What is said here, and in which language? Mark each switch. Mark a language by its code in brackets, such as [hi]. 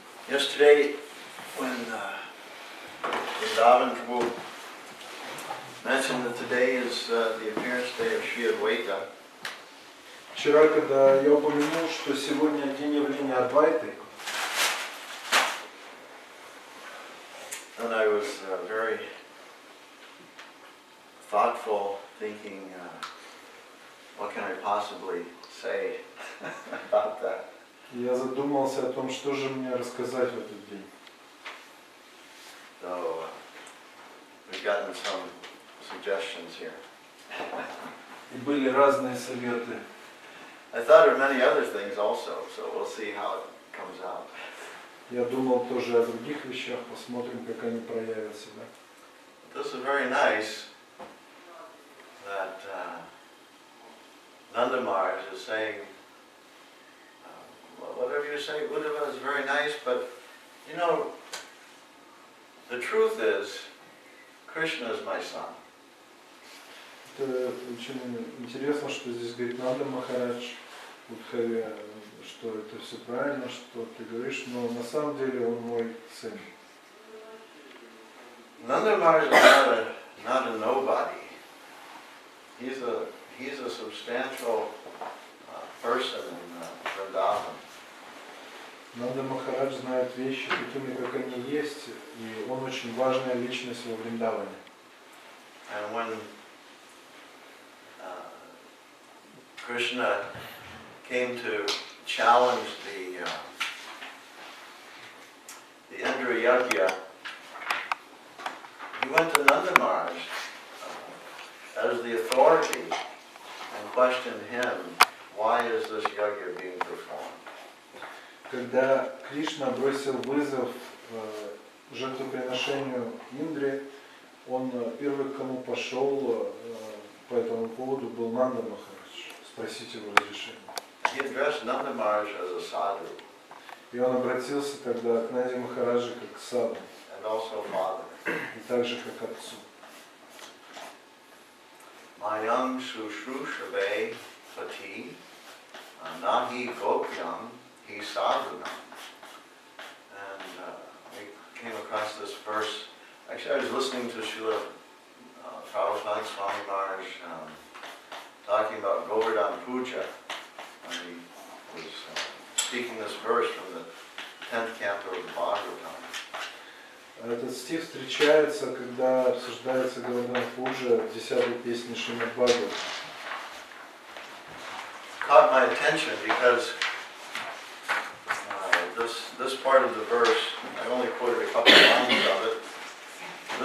[en] Yesterday, when Vrindavan Prabhu mentioned that today is the appearance day of Sri Advaita, [ru] вчера, когда я упомянул, что сегодня день явления Адвайты, [en] and I was very thoughtful, thinking, what can I possibly say about that? [ru] Я задумался о том, что же мне рассказать в этот день. [en] So, we've gotten some suggestions here. [ru] И были разные советы. [en] I thought of many other things also, so we'll see how it comes out. [ru] Я думал тоже о других вещах, посмотрим, как они проявят себя. [en] This is very nice that Nanda Maharaj is saying, whatever you say, Uddhava is very nice, but you know, the truth is, Krishna is my son. [ru] Это очень интересно, что здесь говорит Нанда Махарадж, Удхаве, что это все правильно, что ты говоришь, но на самом деле он мой сын. [en] Нанда Махарадж is not a nobody. He's a substantial person in Vrindavan. [ru] Нанда Махарадж знает вещи такими, как они есть, и он очень важная личность во Вриндаване. [en] And when Krishna came to challenge the Indra Yajna, he went to Nanda Maharaj as the authority and questioned him, why is this yajna being performed? [ru] Когда Кришна бросил вызов жертвоприношению Индре, он первый, к кому пошел по этому поводу, был Нанда Махарадж. Спросите его разрешения. И он обратился тогда к Нанде Махараджу как к саду. [en] And also father. [ru] И также как отцу. Mayam Sushru Shave Fati Nahi Gopyam. [en] He saw them, and we came across this verse. Actually, I was listening to Srila Prabhupada Swami Maharaj talking about Govardhan Puja, and he was speaking this verse from the 10th canto of the Bhagavatam. [ru] Этот стих встречается, когда обсуждается Говардхан Пуджа в 10-й песне Шримад Бхагаватам. [en] Caught my attention because this part of the verse, I only quoted a couple of lines of it.